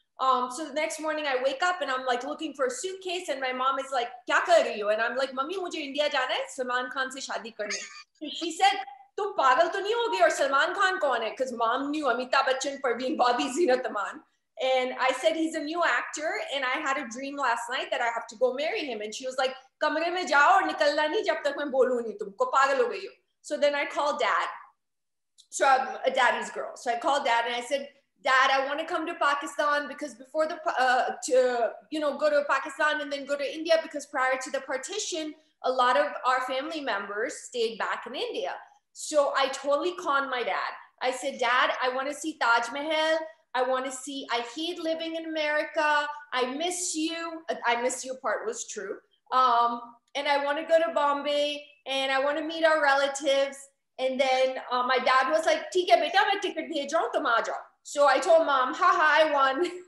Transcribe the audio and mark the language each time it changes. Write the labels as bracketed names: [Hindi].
[English] So the next morning I wake up and I'm like looking for a suitcase and my mom is like, [Urdu] kya kar rahi ho? [English] And I'm like, [Urdu] mummy, مجھے India جانا ہے، سلمان خان سے شادی کرنے۔ [English] She said, [Urdu] تم پاگل تو نہیں ہوگی، اور سلمان خان کون ہے؟ [English] Because mom knew Amitabh Bachchan for being Bobby Zinat Aman. And I said, he's a new actor. And I had a dream last night that I have to go marry him. And she was like, [Urdu] کمرے میں جاؤ اور نکلنا نہیں جب تک میں بولوں نہیں تمکو، پاگل ہو گئی ہو۔ [English] So then I called dad. So I'm a daddy's girl. So I called dad and I said, Dad, I want to come to Pakistan because before the, to, you know, go to Pakistan and then go to India, because prior to the partition, a lot of our family members stayed back in India. So I totally conned my dad. I said, Dad, I want to see Taj Mahal. I want to see, I hate living in America. I miss you. I miss you part was true. And I want to go to Bombay and I want to meet our relatives. And then my dad was like, [Urdu] "ٹھیک ہے بیٹا، میں ticket بھیج رہا ہوں، تم آ جاؤ۔" [English] So I told mom, haha, I won.